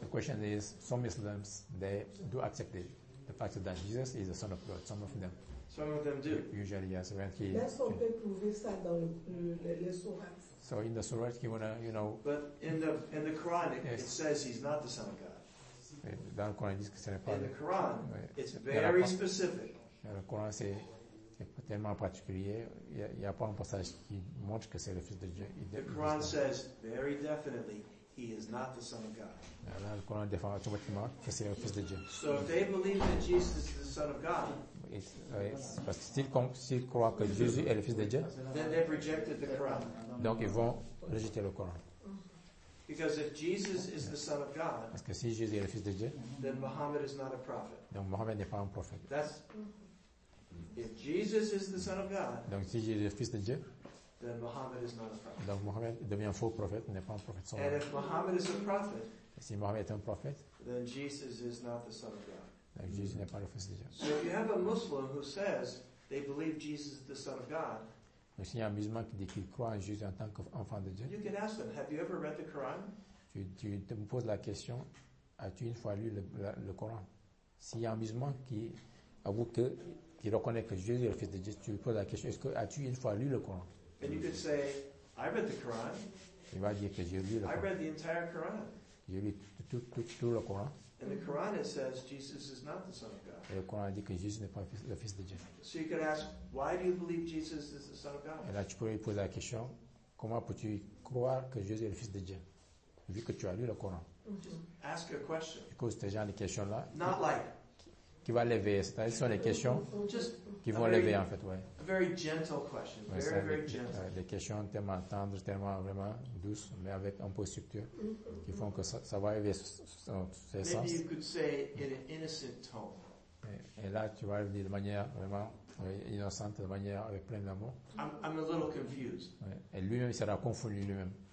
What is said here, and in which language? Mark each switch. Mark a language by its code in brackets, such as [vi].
[en] The question is, some Muslims, they do accept it, the fact that Jesus is the Son of God. Some of them. Some of them do. Usually, yes. When he. So in the surah, he wanna, you know. But in the Quran, it says he's not the Son of God. [fr] Dans le Coran, ils disent que ce n'est pas. [en] In the Quran, it's very specific. [fr] Le Coran, c'est tellement particulier. Il n'y a pas un passage qui montre que c'est le Fils de Dieu. [en] The Quran says very definitely he is not the Son of God. [fr] Alors, le Coran défend automatiquement que c'est le Fils de Dieu. [en] So if they believe that Jesus is the Son of God, [fr] parce que s'ils croient que Jésus est le Fils de Dieu, [en] then they've rejected the Quran. [fr] Donc ils vont rejeter le Coran. [en] Because if Jesus is the Son of God, [fr] parce que si Jésus est le Fils de Dieu, [en] then Muhammad is not a prophet. [fr] Donc Muhammad n'est pas un prophète. [en] That's if Jesus is the Son of God. [fr] Donc si Jésus est le Fils de Dieu, [en] then Muhammad is not a prophet. [fr] Donc Muhammad devient faux prophète, n'est pas un prophète. [en] And if Muhammad is a prophet, [fr] si Muhammad est un prophète, [en] then Jesus is not the Son of God. [fr] Donc Jésus n'est pas le Fils de Dieu. [en] So if you have a Muslim who says they believe Jesus is the Son of God, [fr] donc s'il y a un musulman qui dit qu'il croit en Jésus en tant qu'enfant de Dieu, [en] you can ask them, have you ever read the Quran? [fr] Tu me poses la question, as-tu une fois lu le Coran? S'il y a un musulman qui avoue que qui reconnaît que Jésus est le Fils de Dieu, tu lui poses la question, est-ce que as-tu une fois lu le Coran? [en] And you could say, I read the Quran. [fr] Il va dire que j'ai lu le Coran. [en] I read the entire Quran. [fr] J'ai lu tout le Coran. [en] And the Quran it says Jesus is not the Son of God. [fr] Et le Coran dit que Jésus n'est pas le Fils de Dieu. [en] So you could ask, why do you believe Jesus is the Son of God? [fr] Et là tu pourrais lui poser la question, comment peux-tu croire que Jésus est le Fils de Dieu? Vu que tu as lu le Coran. [en] Mm-hmm. Ask a question. [fr] Tu poses ces gens des questions là. [en] Not like. [fr] Qui va lever. C'est-à-dire, ce sont des questions qui vont lever en fait, ouais. [en] A very gentle question. Ouais, very gentle. [fr] Des questions tellement tendres, tellement vraiment douces, mais avec un peu de structure, mm-hmm. qui font que ça va élever ses sens. [en] Maybe you could say in an innocent tone. [fr] Et là, tu vas le dire de manière vraiment innocente, de manière avec plein d'amour. [en] I'm a little confused. [fr] Ouais. Et lui-même, il sera confondu lui-même.